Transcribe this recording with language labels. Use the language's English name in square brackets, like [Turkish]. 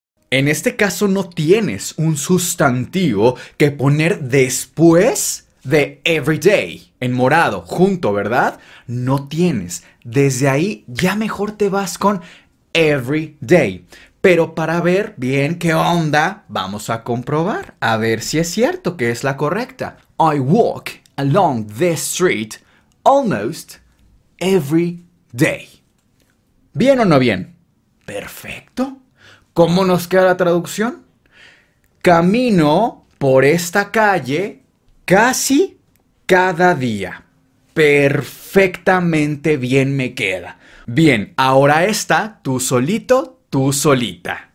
[Spanish] En este caso no tienes un sustantivo que poner después de everyday, en morado, junto, ¿verdad? No tienes. Desde ahí ya mejor te vas con every day. Pero para ver bien qué onda, vamos a comprobar, a ver si es cierto que es la correcta. [English] I walk along the street almost every day. [Spanish] ¿Bien o no bien? Perfecto. ¿Cómo nos queda la traducción? Camino por esta calle casi cada día. Perfectamente bien me queda. Bien, ahora está tú solito, tú solita.